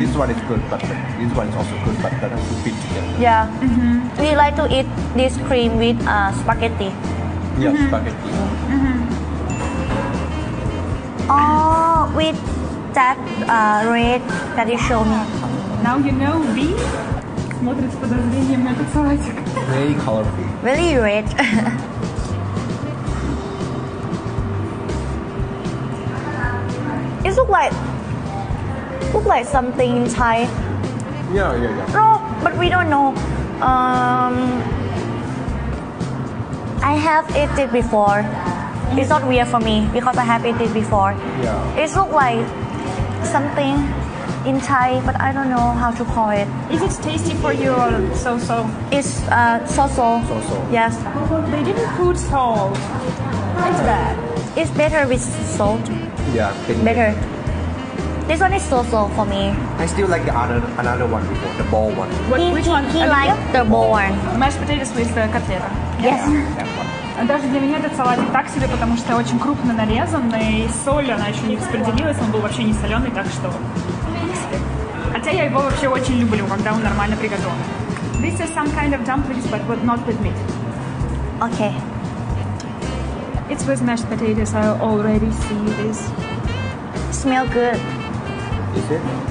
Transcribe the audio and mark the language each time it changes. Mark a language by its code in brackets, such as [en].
[en] This one is good, but this one is also good, but that doesn't fit together. Yeah. Mm-hmm. We like to eat this cream with spaghetti. Yeah, mm-hmm. Spaghetti. Mm-hmm. Oh, with that red that you showed me. Now you know V. [ru] Смотрит с подозрением этот салатик. [en] Very colorful. Very red. It look like something in Thai. Yeah. No, but we don't know. I have eaten it before. It's not weird for me because I have eaten it before. Yeah. It looks like something in Thai, but I don't know how to call it. Is it tasty for you or so-so? It's so-so. So-so. Yes. They didn't put salt. It's bad. It's better with salt. Yeah. Better. This one is so-so for me. I still like another one before, the ball one. Which one? He liked the ball one. Mashed potatoes with котлета. Yes. [ru] Даже для меня этот салатик так себе, потому что очень крупно нарезан, и соль, она еще не распределилась, он был вообще не соленый, так что... Хотя я его вообще очень люблю, когда он нормально приготовлен. [en] This is some kind of dumplings, but not with meat. Okay. It's with mashed potatoes, I already see this. Smell good. Is it?